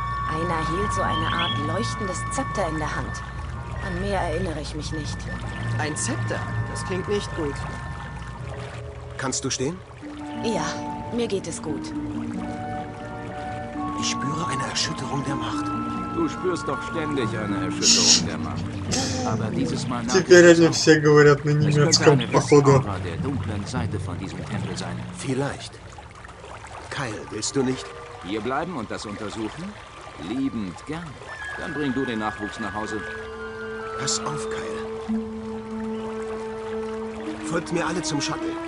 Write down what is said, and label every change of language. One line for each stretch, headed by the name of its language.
German: Einer hielt so eine Art leuchtendes Zepter in der Hand. An mehr erinnere ich mich nicht. Ein Zepter? Das klingt nicht gut. Kannst du stehen? Ja, mir geht es gut. Ich spüre eine Erschütterung der Macht. Du spürst doch ständig eine Erschütterung der Macht. Aber dieses Mal nach...
Russian: Теперь они все говорят на немецком, походу.
German: Es wird eine der dunklen Seite von diesem Tempel sein. Vielleicht. Kyle, willst du nicht? Hier bleiben und das untersuchen? Liebend gern. Dann bring du den Nachwuchs nach Hause. Pass auf, Kyle. Folgt mir alle zum Shuttle.